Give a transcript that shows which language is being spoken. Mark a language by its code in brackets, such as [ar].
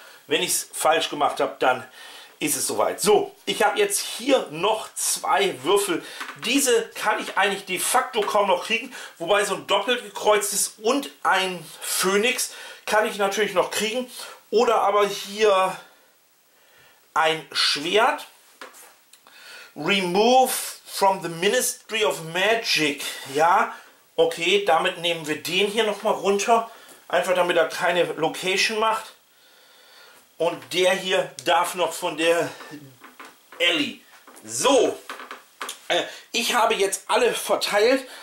[de] Wenn ich es falsch gemacht habe, dann ist es soweit. So, ich habe jetzt hier noch zwei Würfel. Diese kann ich eigentlich de facto kaum noch kriegen. Wobei so ein doppelt gekreuztes und ein Phönix kann ich natürlich noch kriegen. Oder aber hier ein Schwert. [en] Remove from the Ministry of Magic. [de] Ja, okay, damit nehmen wir den hier nochmal runter. Einfach damit er keine Location macht. Und der hier darf noch von der Ellie. So, ich habe jetzt alle verteilt.